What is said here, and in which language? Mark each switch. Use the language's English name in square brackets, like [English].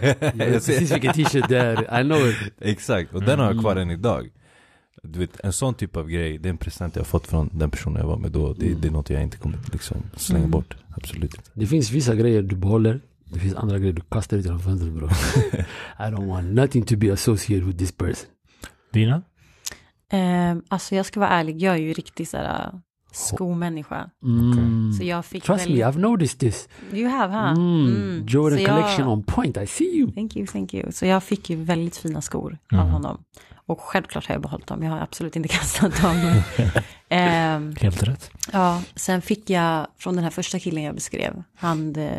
[Swedish] Jag vet precis vilken t-shirt där. [English] I know it. [Swedish] Exakt, och den har jag kvar än idag. Du vet, en sån typ av grej, det är en present jag har fått från den personen jag var med då. Det är något jag inte kommer liksom slänga bort. Absolut. Det finns vissa grejer du behåller. Det finns andra grejer du kastar ut genom fönstret, bro. [English] I don't want nothing to be associated with this person. [Swedish] Dina? Alltså jag ska vara ärlig, jag är ju riktig så här skomänniska. Så jag fick [English] Trust me, I've noticed this. You have, huh? Mm. Jordan collection on point, I see you. Thank you. [Swedish] Så jag fick ju väldigt fina skor av honom. Och självklart har jag behållit dem, jag har absolut inte kastat dem. Helt rätt. Ja, sen fick jag från den här första killen jag beskrev, han...